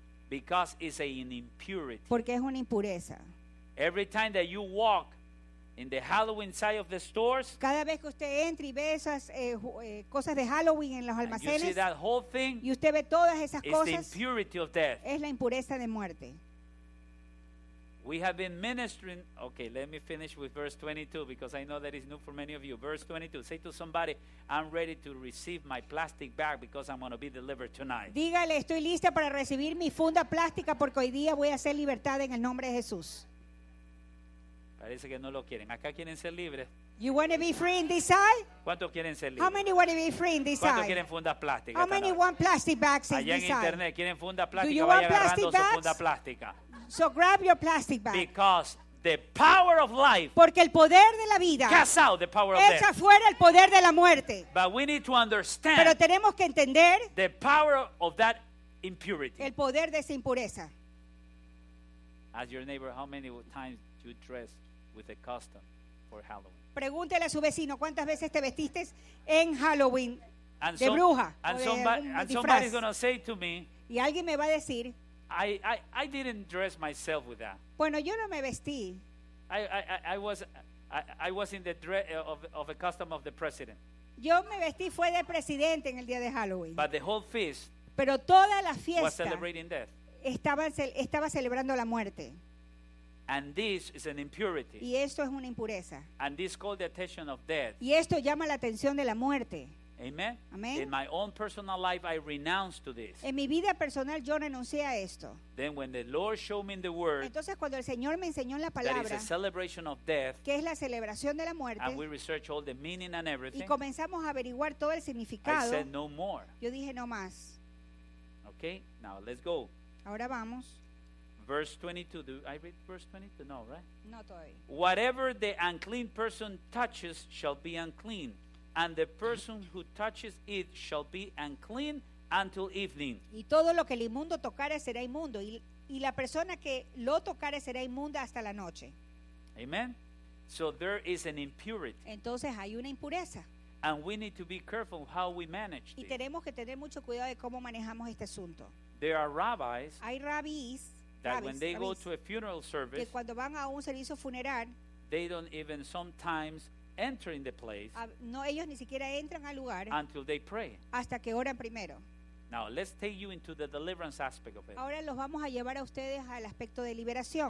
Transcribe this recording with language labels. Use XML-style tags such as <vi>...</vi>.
<en>Because it's an impurity.</en> <es>Porque es una impureza.</es> <en>Every time that you walk in the Halloween side of the stores.</en> <es>Cada vez que usted entra y ve esas cosas de Halloween en los almacenes.</es> <en>You see that whole thing.</en> <es>Y usted ve todas esas cosas.</es> <en>It's the impurity of death.</en> <es>Es la impureza de muerte.</es> <en>We have been ministering. Okay, let me finish with verse 22 because I know that is new for many of you. Verse 22. Say to somebody, "I'm ready to receive my plastic bag because I'm going to be delivered tonight."</en> <es>Dígale, estoy lista para recibir mi funda plástica porque hoy día voy a ser libertada en el nombre de Jesús. Parece que no lo quieren. Acá quieren ser libres.</es> <en>You want to be free in this side?</en> <es>¿Cuántos quieren ser libres?</es> <en>How many want to be free in this</en> <es>¿Cuántos</es> <en>side?</en> <es>Quieren fundas plásticas?</es> <en>How many want plastic bags in</en> <es>allá</es> <en>this side?</en> <es>Allá en internet quieren funda plástica.</es> <en>Do you want plastic bags?</en> <es>Vaya agarrando su funda plástica.</es> <en>So grab your plastic bag. Because the power of life.</en> <es>Porque el poder de la vida.</es> <en>Cast out the power of death.</en> <es>Echa fuera el poder de la muerte.</es> <en>But we need to understand.</en> <es>Pero tenemos que entender.</es> <en>The power of that impurity.</en> <es>El poder de esa impureza.</es> <en>As your neighbor, how many times do you dress with a custom for Halloween?</en> <es>Pregúntele a su vecino cuántas veces te vestiste en Halloween de bruja.</es> <en>And somebody's going to say to me.</en> <es>Y alguien me va a decir.</es> <en>I didn't dress myself with that.</en> <es>Bueno, yo no me vestí.</es> <en>I was in the dress of a custom of the president.</en> <es>Yo me vestí fue de presidente en el día de Halloween.</es> <en>But the whole feast.</en> <es>Pero toda la fiesta.</es> <en>Was celebrating death.</en> <es>Estaba celebrando la muerte.</es> <en>And this is an impurity.</en> <es>Y esto es una impureza.</es> <en>And this called the attention of death.</en> <es>Y esto llama la atención de la muerte.</es> <en>Amen.</en> <es>Amen.</es> <en>In my own personal life, I renounce to this.</en> <es>En mi vida personal, yo renuncié a esto.</es> <en>Then, when the Lord showed me in the Word,</en> <es>entonces cuando el Señor me enseñó en la palabra,</es> <en>that is a celebration of death,</en> <es>que es la celebración de la muerte,</es> <en>and we researched all the meaning and everything,</en> <es>y comenzamos a averiguar todo el significado,</es> <en>I said no more.</en> <es>Yo dije no más.</es> <en>Okay. Now let's go.</en> <es>Ahora vamos.</es> <en>Verse 22. Do I read verse 22? No, right?</en> <es>No todavía.</es> <en>Whatever the unclean person touches shall be unclean. And the person who touches it shall be unclean until evening.</en> <es>Y todo lo que el inmundo tocare será inmundo. Y la persona que lo tocare será inmunda hasta la noche.</es> <en>Amen. So there is an impurity.</en> <es>Entonces hay una impureza.</es> <en>And we need to be careful how we manage this.</en> <es>Y tenemos que tener mucho cuidado de cómo manejamos este asunto.</es> <en>There are rabbis.</en> <es>Hay rabis.</es> <en>That</en> <es>rabis,</es> <en>when they</en> <es>rabis,</es> <en>go to a funeral service.</en> <es>Que cuando van a un servicio funeral.</es> <en>They don't even sometimes enter in the place.</en> <es>No, ellos ni siquiera entran al lugar.</es> <en>Until they pray.</en> <es>Hasta que oran primero.</es> <en>Now let's take you into the deliverance aspect of it.</en> <es>Ahora los vamos a llevar a ustedes al aspecto de liberación.</es>